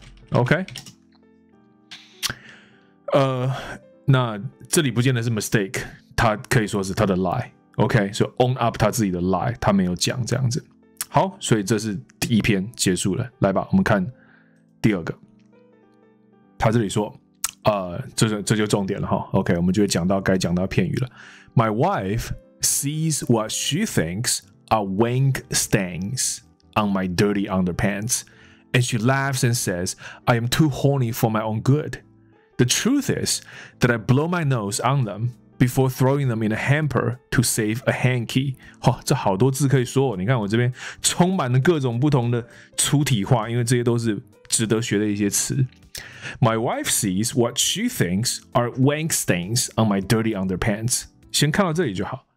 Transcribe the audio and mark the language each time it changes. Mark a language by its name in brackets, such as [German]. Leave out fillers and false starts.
[Chinese] OK， 那这里不见得是 mistake， 它可以说是他的 lie。 OK， 所、so、以 [English] own up [Chinese] 他自己的 lie， 他没有讲这样子。好，所以这是第一篇结束了。来吧，我们看第二个。他这里说，这就重点了哈。OK， 我们就会讲到该讲到片语了。 [English] My wife sees what she thinks are wank stains on my dirty underpants, and she laughs and says I am too horny for my own good. The truth is that I blow my nose on them before throwing them in a hamper to save a hanky. [Chinese] 哇，这好多字可以说哦，你看我这边充满了各种不同的粗体化，因为这些都是值得学的一些词。 [English] My wife sees what she thinks are wank stains on my dirty underpants. [Chinese] 先看到这里就好。